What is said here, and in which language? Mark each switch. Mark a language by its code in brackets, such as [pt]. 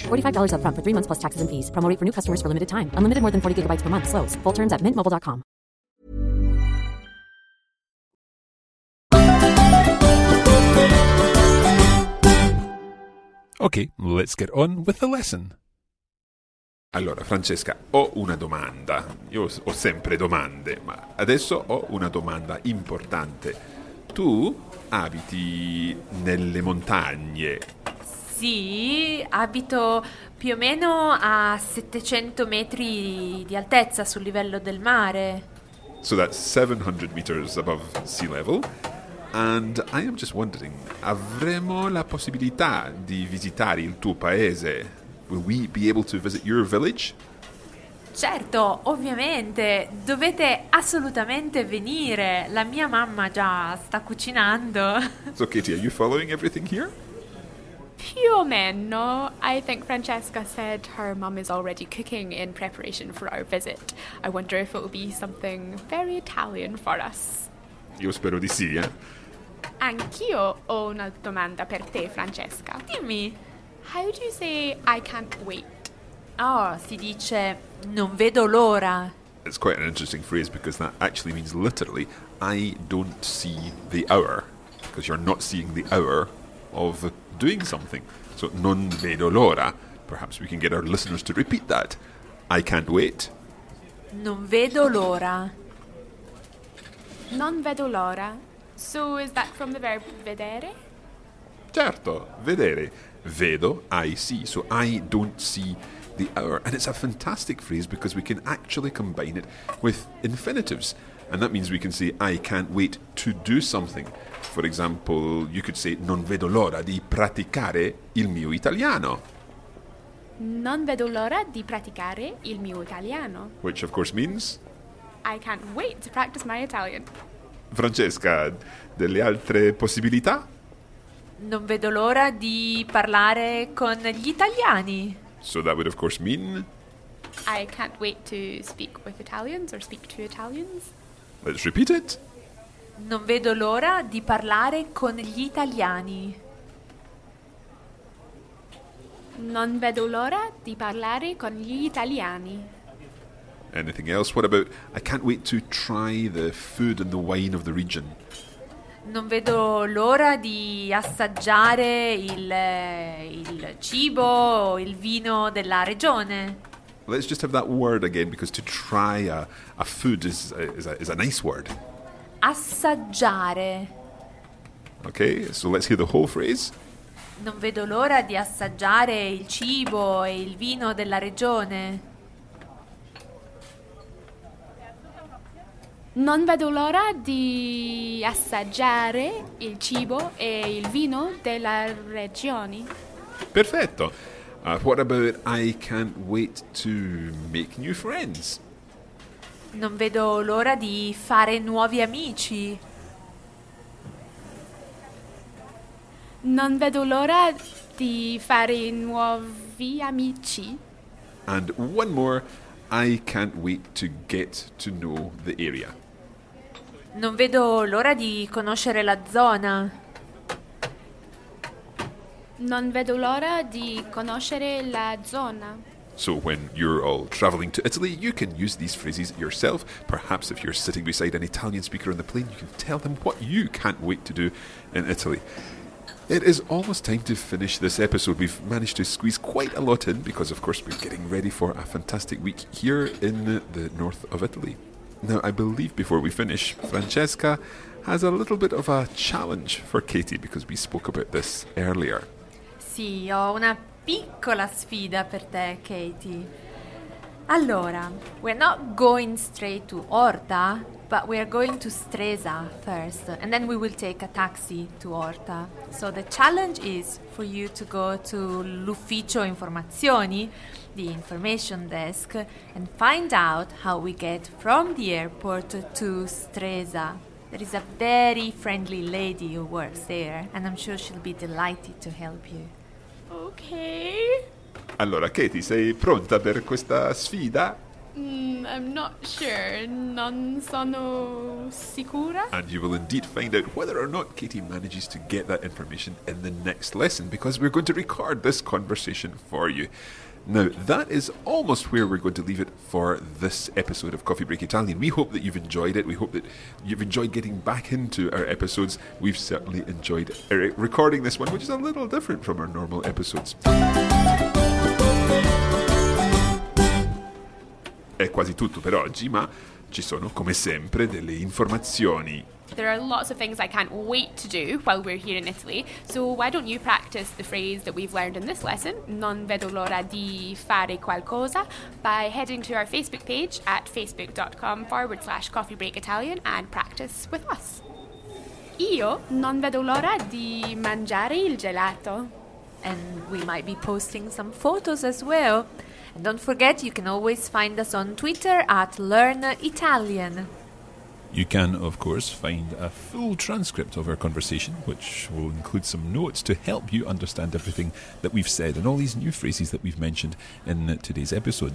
[en] $45 up front for 3 months plus taxes and fees. Promo rate for new customers for limited time. Unlimited more than 40 gigabytes per month. Slows full terms at mintmobile.com. Okay, let's get on with the lesson. [it] Allora, Francesca, ho una domanda. Io ho sempre domande, ma adesso ho una domanda importante. Tu abiti nelle montagne? Sì, abito più o meno a 700 metri di altezza sul livello del mare. [en] So that's 700 meters above sea level. And I am just wondering, [it] avremo la possibilità di visitare il tuo paese? [en] Will we be able to visit your village? [it] Certo, ovviamente. Dovete assolutamente venire. La mia mamma già sta cucinando. [en] So Katie, are you following everything here? [it] Più o meno. [en] I think Francesca said her mum is already cooking in preparation for our visit. I wonder if it will be something very Italian for us. [it] Io spero di sì, eh. Anch'io ho una domanda per te, Francesca. Dimmi. [en] How do you say I can't wait? [it] Oh, si dice non vedo l'ora. [en] It's quite an interesting phrase because that actually means literally I don't see the hour, because you're not seeing the hour of doing something. So [it] non vedo l'ora. [en] Perhaps we can get our listeners to repeat that. I can't wait. [it] Non vedo l'ora. Non vedo l'ora. [en] So is that from the verb vedere? [it] Certo, vedere. Vedo, [en] I see. So I don't see the hour. And it's a fantastic phrase because we can actually combine it with infinitives. And that means we can say, I can't wait to do something. For example, you could say, [it] non vedo l'ora di praticare il mio italiano. Non vedo l'ora di praticare il mio italiano. [en] Which of course means? I can't wait to practice my Italian. [it] Francesca, delle altre possibilità? Non vedo l'ora di parlare con gli italiani. [en] So that would of course mean? I can't wait to speak with Italians or speak to Italians. Let's repeat it. [it] Non vedo l'ora di parlare con gli italiani. Non vedo l'ora di parlare con gli italiani. [en] Anything else? What about I can't wait to try the food and the wine of the region? [it] Non vedo l'ora di assaggiare il cibo, il vino della regione. [en] Let's just have that word again, because to try a food is a nice word. [it] Assaggiare. [en] Okay, so let's hear the whole phrase. [it] Non vedo l'ora di assaggiare il cibo e il vino della regione. Non vedo l'ora di assaggiare il cibo e il vino della regione. Perfetto. [en] What about I can't wait to make new friends? [it] Non vedo l'ora di fare nuovi amici. Non vedo l'ora di fare nuovi amici. [en] And one more. I can't wait to get to know the area. [it] Non vedo l'ora di conoscere la zona. Non vedo l'ora di conoscere la zona. [en] So when you're all traveling to Italy, you can use these phrases yourself. Perhaps if you're sitting beside an Italian speaker on the plane, you can tell them what you can't wait to do in Italy. It is almost time to finish this episode. We've managed to squeeze quite a lot in because, of course, we're getting ready for a fantastic week here in the north of Italy. Now, I believe before we finish, Francesca has a little bit of a challenge for Katie because we spoke about this earlier. [it] Sì, ho una piccola sfida per te, Katie. [en] Allora, we're not going straight to Horta, but we're going to Stresa first, and then we will take a taxi to Horta. So the challenge is for you to go to [it] l'ufficio informazioni, [en] the information desk, and find out how we get from the airport to Stresa. There is a very friendly lady who works there, and I'm sure she'll be delighted to help you. Okay. [it] Allora, Katie, sei pronta per questa sfida? [en] I'm not sure. [it] Non sono sicura. [en] And you will indeed find out whether or not Katie manages to get that information in the next lesson, because we're going to record this conversation for you. Now, that is almost where we're going to leave it for this episode of Coffee Break Italian. We hope that you've enjoyed it. We hope that you've enjoyed getting back into our episodes. We've certainly enjoyed recording this one, which is a little different from our normal episodes. [it] È quasi tutto per oggi, ma ci sono, come sempre, delle informazioni. [en] There are lots of things I can't wait to do while we're here in Italy. So why don't you practice the phrase that we've learned in this lesson, [it] non vedo l'ora di fare qualcosa, [en] by heading to our Facebook page at facebook.com/coffeebreakitalian and practice with us. [it] Io non vedo l'ora di mangiare il gelato. [en] And we might be posting some photos as well. And don't forget, you can always find us on Twitter at learnitalian. You can, of course, find a full transcript of our conversation, which will include some notes to help you understand everything that we've said and all these new phrases that we've mentioned in today's episode.